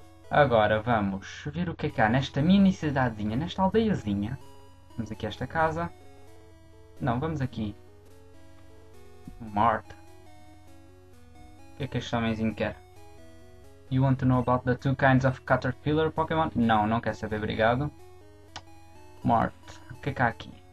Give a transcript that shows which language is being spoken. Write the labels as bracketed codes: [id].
[pt] Agora vamos ver o que é que há nesta mini cidadezinha, nesta aldeiazinha. Vamos aqui a esta casa. Não, vamos aqui. Marta. O que é que este homenzinho quer? [en] You want to know about the two kinds of caterpillar Pokémon? [pt] Não, não quer saber, obrigado. Marta, o que é que há aqui?